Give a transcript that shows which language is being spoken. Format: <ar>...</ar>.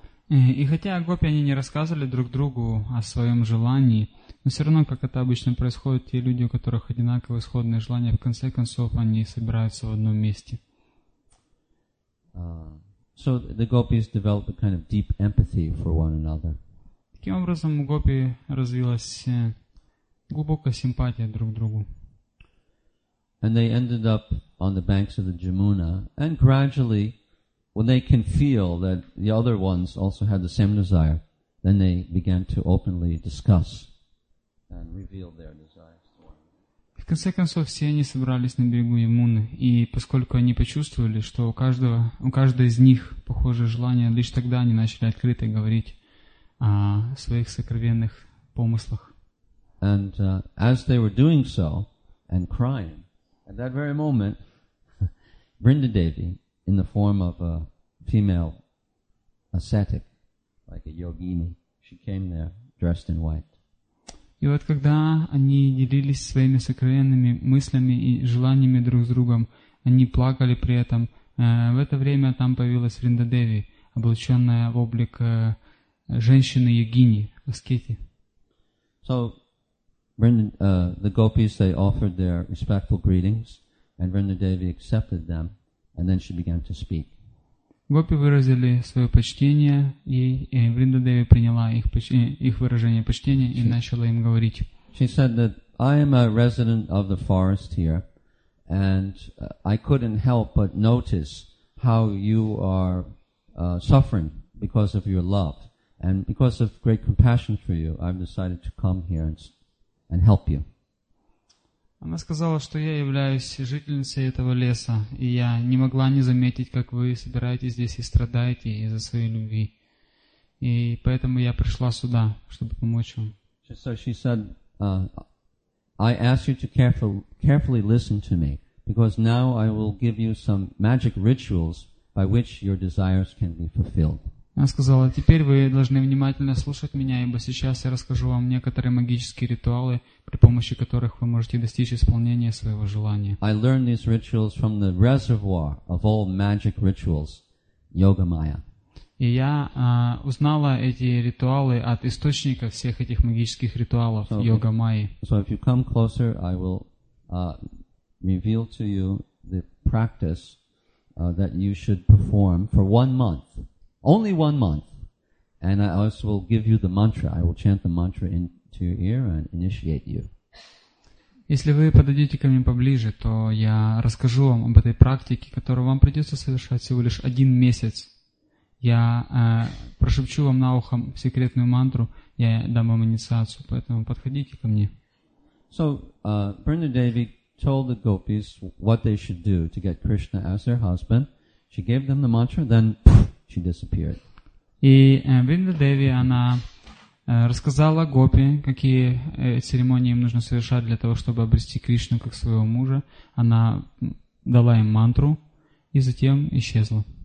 <ru>И хотя гопи они не рассказывали друг другу о своем желании, но все равно, как это обычно происходит, те люди, у которых одинаковые исходные желания, в конце концов они собираются в одном месте.</ru> <en>So the gopis developed a kind of deep empathy for one another.</en> <ru>Таким образом, у гопи развилась глубокая симпатия друг к другу.</ru> <en>And they ended up on the banks of the Jamuna, and gradually, when they can feel that the other ones also had the same desire, then they began to openly discuss and reveal their desire.</en> <ru>В конце концов, все они собрались на берегу Ямуны, и поскольку они почувствовали, что у каждого из них похожее желание, лишь тогда они начали открыто говорить о своих сокровенных помыслах.</ru> <en>And as they were doing so, and crying, at that very moment, Vrindadevi, in the form of a female ascetic, like a yogini, she came there dressed in white.</en> <ru>И вот когда они делились своими сокровенными мыслями и желаниями друг с другом, они плакали при этом. В это время там появилась Вриндадеви, облаченная в облик женщины-йогини, аскети.</ru> <en>So, the gopis, they offered their respectful greetings, and Vrindadevi accepted them, and then she began to speak.</en> <ru>Гопи выразили свое почтение ей, и Вриндадеви приняла их выражение почтения и начала им говорить.</ru> <en>She said that I am a resident of the forest here, and I couldn't help but notice how you are suffering because of your love, and because of great compassion for you, I've decided to come here and help you.</en> <ru>Она сказала, что я являюсь жительницей этого леса, и я не могла не заметить, как вы собираетесь здесь и страдаете из-за своей любви. И поэтому я пришла сюда, чтобы помочь вам.</ru> <en>So she said, I ask you to carefully listen to me, because now I will give you some magic rituals by which your desires can be fulfilled.</en> <ru>Она сказала, теперь вы должны внимательно слушать меня, ибо сейчас я расскажу вам некоторые магические ритуалы, при помощи которых вы можете достичь исполнения своего желания.</ru> <en>I learned these rituals from the reservoir of all magic rituals, Yogamaya.</en> <ru>И я узнала эти ритуалы от источника всех этих магических ритуалов, Йогамайи.</ru> <en>So if you come closer, I will reveal to you the practice that you should perform for 1 month. Only 1 month, and I also will give you the mantra. I will chant the mantra into your ear and initiate you.</en> <ru>Если вы подойдете ко мне поближе, то я расскажу вам об этой практике, которую вам придется совершать всего лишь 1 месяц. Я прошепчу вам на ухо секретную мантру, я дам вам инициацию, поэтому подходите ко мне.</ru> <en>So, Vrindadevi told the gopis what they should do to get Krishna as their husband. She gave them the mantra, then she disappeared.</en> <ru>И Вриндадеви, она рассказала гопи, какие церемонии им нужно совершать для того, чтобы обрести Кришну как своего мужа. Она дала им мантру и затем исчезла.</ru>